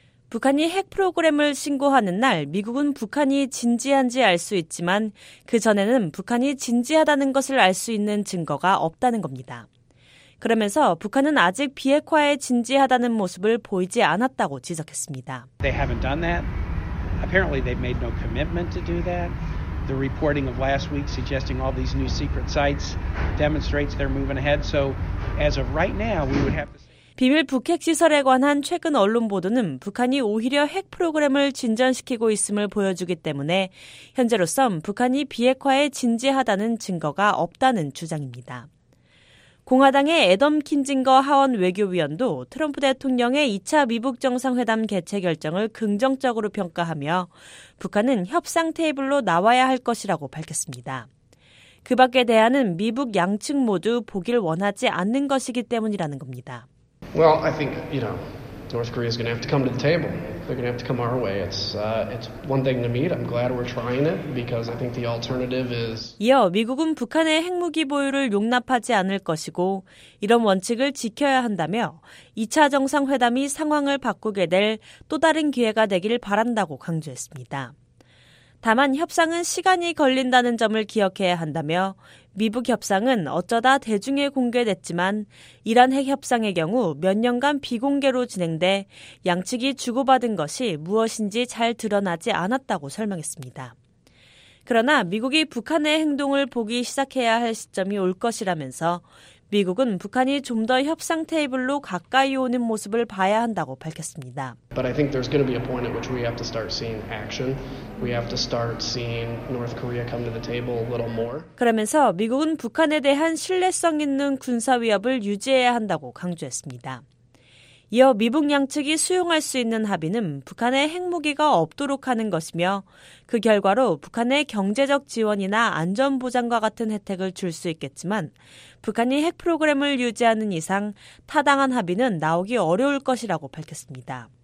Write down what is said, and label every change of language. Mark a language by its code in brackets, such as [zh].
[ko] 북한이 핵 프로그램을 신고하는 날 미국은 북한이 진지한지 알 수 있지만 그 전에는 북한이 진지하다는 것을 알 수 있는 증거가 없다는 겁니다. 그러면서 북한은 아직 비핵화에 진지하다는 모습을 보이지 않았다고 지적했습니다. [en] They haven't done that. Apparently they've made no commitment to do that. The reporting of last week suggesting all these new secret sites demonstrates they're moving ahead. So as of right now, we would have to [ko] 비밀 북핵 시설에 관한 최근 언론 보도는 북한이 오히려 핵 프로그램을 진전시키고 있음을 보여주기 때문에 현재로선 북한이 비핵화에 진지하다는 증거가 없다는 주장입니다. 공화당의 애덤 킨징거 하원 외교위원도 트럼프 대통령의 2차 미북 정상회담 개최 결정을 긍정적으로 평가하며 북한은 협상 테이블로 나와야 할 것이라고 밝혔습니다. 그 밖에 대안은 미북 양측 모두 보길 원하지 않는 것이기 때문이라는 겁니다. [en] Well, I think, you know, North Korea is going to have to come to the table. They're going to have to come our way. It's one thing to meet. I'm glad we're trying it because I think the alternative is. [ko] 이어 미국은 북한의 핵무기 보유를 용납하지 않을 것이고 이런 원칙을 지켜야 한다며 2차 정상회담이 상황을 바꾸게 될 또 다른 기회가 되길 바란다고 강조했습니다. 다만 협상은 시간이 걸린다는 점을 기억해야 한다며 미북 협상은 어쩌다 대중에 공개됐지만 이란 핵 협상의 경우 몇 년간 비공개로 진행돼 양측이 주고받은 것이 무엇인지 잘 드러나지 않았다고 설명했습니다. 그러나 미국이 북한의 행동을 보기 시작해야 할 시점이 올 것이라면서 미국은 북한이 좀 더 협상 테이블로 가까이 오는 모습을 봐야 한다고 밝혔습니다. [en] But I think there's going to be a point at which we have to start seeing action. We have to start seeing North Korea come to the table a little more. [ko] 그러면서 미국은 북한에 대한 신뢰성 있는 군사 위협을 유지해야 한다고 강조했습니다. 이어 미북 양측이 수용할 수 있는 합의는 북한의 핵무기가 없도록 하는 것이며 그 결과로 북한의 경제적 지원이나 안전보장과 같은 혜택을 줄 수 있겠지만 북한이 핵 프로그램을 유지하는 이상 타당한 합의는 나오기 어려울 것이라고 밝혔습니다.